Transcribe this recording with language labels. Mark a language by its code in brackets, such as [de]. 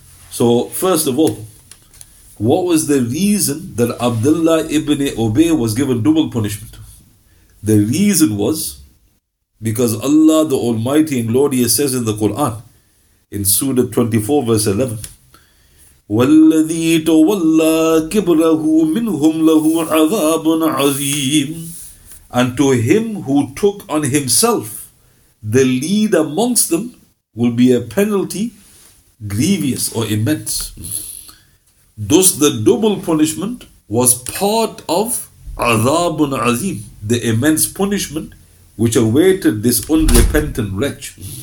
[en] So first of all, what was the reason that Abdullah ibn Ubay was given double punishment? The reason was because Allah the Almighty and Glorious says in the Quran, in Surah 24, verse 11, [ar] والذي تولى كبره منهم له عذاب عظيم. [en] And to him who took on himself the lead amongst them will be a penalty grievous or immense. Thus the double punishment was part of Azabun Azim, the immense punishment which awaited this unrepentant wretch.